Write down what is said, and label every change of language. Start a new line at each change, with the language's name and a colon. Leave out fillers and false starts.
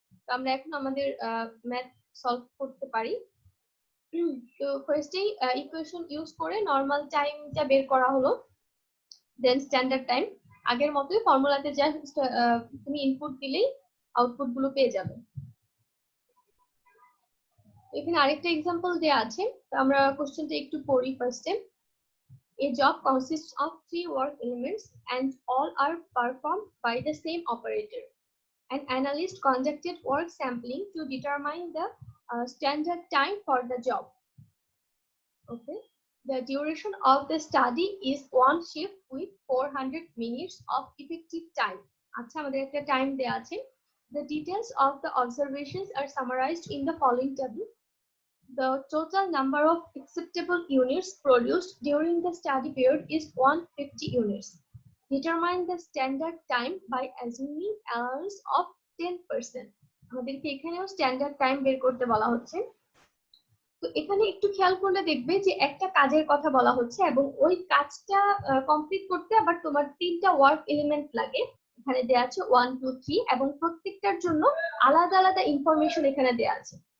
Bangla: তো আমরা এখন আমাদের ম্যাথ সলভ করতে পারি। তো ফার্স্টেই ইকুয়েশন ইউজ করে নর্মাল টাইমটা বের করা হলো, দেন স্ট্যান্ডার্ড টাইম আগের মতোই ফর্মুলাতে জাস্ট তুমি ইনপুট দিলেই আউটপুট গুলো পেয়ে যাবে। এখানে আরেকটা এক্সাম্পল দেওয়া আছে, আমরা কোশ্চেনটা একটু পড়ি ফার্স্টে।
English: A job consists of 3 work elements and all are performed by the same operator. An analyst conducted work sampling to determine the standard time for the job. Okay, the duration of the study is one shift with 400 minutes of effective time.
Bangla: Acha amader ekta time deya ache.
English: The details of the observations are summarized in the following table. The total number of acceptable units produced during the study period is 150 units. Determine the standard time by assuming allowance of 10%.
Bangla: আমাদেরকে এখানেও standard time বের করতে বলা হচ্ছে। তো এখানে একটু খেয়াল করলে দেখবে যে একটা কাজের কথা বলা হচ্ছে এবং ওই কাজটা কমপ্লিট করতে আবার তোমার তিনটা ওয়ার্ক এলিমেন্ট লাগে। এখানে দেয়া আছে 1, 2, 3 এবং প্রত্যেকটার জন্য আলাদা আলাদা ইনফরমেশন এখানে দেয়া আছে।